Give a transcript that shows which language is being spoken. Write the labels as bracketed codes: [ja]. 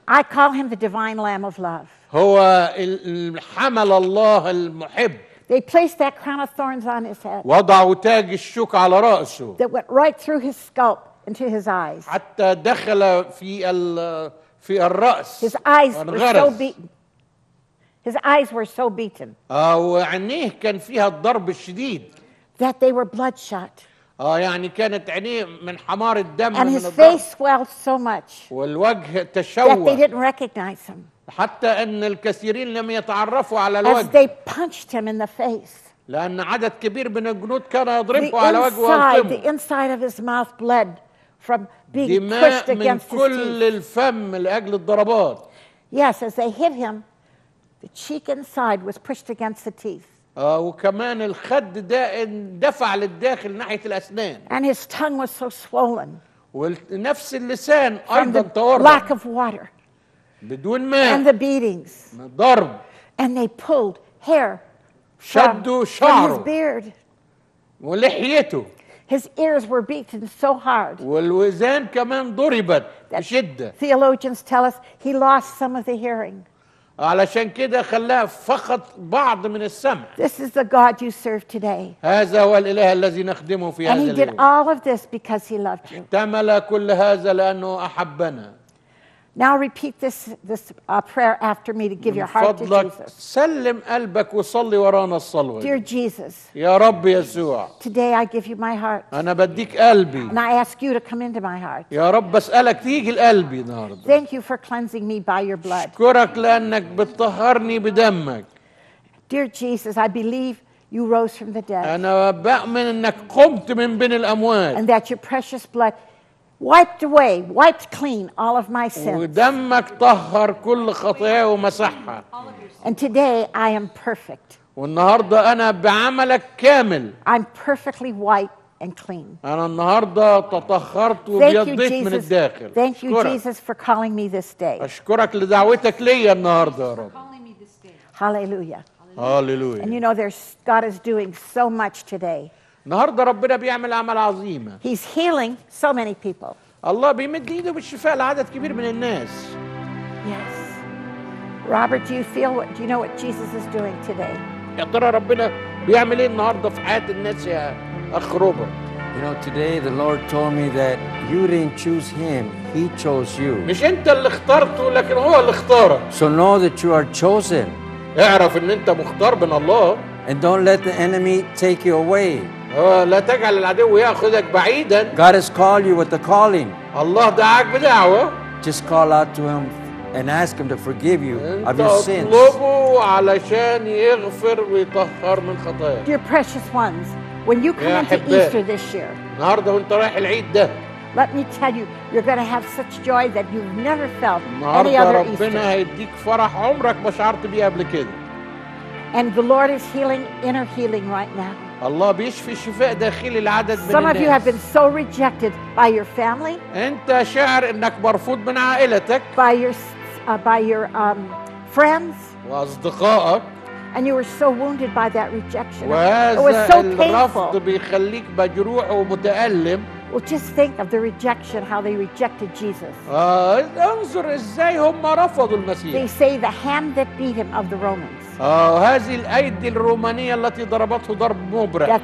[en] I call him the divine lamb of love. [ar] هو الحمل الله المحب. [en] They placed that crown of thorns on his head. [ar] وضعوا تاج الشوك على رأسه. [en] That went right through his scalp. Into his eyes. [ar] حتى دخل في الرأس. [en] His eyes were so beaten. His eyes were so beaten. [ar] وعينيه كان فيها الضرب الشديد. [en] That they were bloodshot. [ar] يعني كانت عينيه من حمار الدم. [en] And his face swelled so much. [ar] والوجه تشوه. [en] That they didn't recognize him. [ar] حتى أن الكثيرين لم يتعرفوا على [en] As [ar] الوجه. [en] As they punched him in the face. [ar] لأن عدد كبير من الجنود كان يضربه [en] the [ar] على وجهه [en] inside, The inside of his mouth bled from being [ar] دماء [en] pushed against [ar] من كل [en] his [ar] الفم لأجل الضربات. [en] Yes, as they hit him, the cheek inside was pushed against the teeth. [ar] وكمان الخد ده اندفع للداخل ناحية الأسنان. [en] And his tongue was so swollen. [ar] ونفس اللسان أيضا تورم. [en] Lack of water. [ar] بدون ماء. [en] And the beatings. [ar] ضرب. [en] And they pulled hair. [ar] شدوا شعره [en] his beard. [ar] ولحيته [en] his ears were beaten so hard [ar] والوزان كمان ضربت بشده [en] theologians tell us he lost some of the hearing [ar] علشان كده خلاه فقط بعض من السمع [en] this is the God you serve today [ar] هذا هو الإله الذي نخدمه في هذا اليوم [en] and he did all of this because he loved you [ar] احتمل كل هذا لأنه أحبنا [en] Now repeat this prayer after me to give your heart to Jesus. [ar] سلم قلبك وصلي ورانا الصلوة. [en] Dear Jesus. [ar] يا رب يسوع. [en] Today I give you my heart. [ar] أنا بديك قلبي. [en] And I ask you to come into my heart. [ar] يا رب بسألك تيجي لقلبي النهاردة. [en] Thank you for cleansing me by your blood. [ar] شكرك لأنك بتطهرني بدمك. [en] Dear Jesus, I believe you rose from the dead. [ar] أنا بأمن أنك قمت من بين الأموات. [en] And that your precious blood wiped away, wiped clean all of my sins. [ar] ودمك طهر كل خطيئة ومسحها. [en] And today I am perfect. [ar] والنهاردة أنا بعملك كامل. [en] I'm perfectly white and clean. [ar] أنا النهاردة تطهرت وبيضيت من الداخل. [en] Thank you, Jesus, for calling me this day. [ar] أشكرك لدعوتك ليا النهاردة يا رب. [en] Hallelujah. Hallelujah. And you know, God is doing so much today. [ar] النهارده ربنا بيعمل اعمال عظيمه. [en] He's healing so many people. [ar] الله بيمد ايده بالشفاء لعدد كبير من الناس. [en] Yes. Robert, do you know what Jesus is doing today? [ar] يا ترى ربنا بيعمل ايه النهارده في حياه الناس يا اخ روبرت؟ [en] You know, today the Lord told me that you didn't choose him, he chose you. [ar] مش انت اللي اخترته لكن هو اللي اختارك. [en] So know that you are chosen. [ar] اعرف ان انت مختار من الله. [en] And don't let the enemy take you away. [ar] لا تجعل العدو ياخذك بعيدا. [en] God has called you with a calling. [ar] الله دعاك بدعوة. [en] Just call out to him and ask him to forgive you of your sins. [ar] اطلبه علشان يغفر ويطهر من خطاياك. [en] Dear precious ones, when you come into Easter this year, [ar] النهارده وانت رايح العيد ده, [en] let me tell you, you're going to have such joy that you've never felt any other Easter. [ar] ربنا هيديك فرح عمرك ما شعرت بيه قبل كده. [en] And the Lord is healing inner healing right now. [ar] الله بيشفي شفاء داخلي لعدد من الناس. [en] Some of you have been so rejected by your family. [ar] انت شاعر انك مرفوض من عائلتك. [en] By your friends. [ar] واصدقائك. [en] And you were so wounded by that rejection. It was so [ar] الرفض [en] painful. [ar] بيخليك مجروح ومتألم. [en] Well, just think of the rejection, how they rejected Jesus. [ar] انظر ازاي هم رفضوا المسيح. [en] They say the hand that beat him of the Romans. [ar] هذه الأيدي الرومانية التي ضربته ضرب مبرح.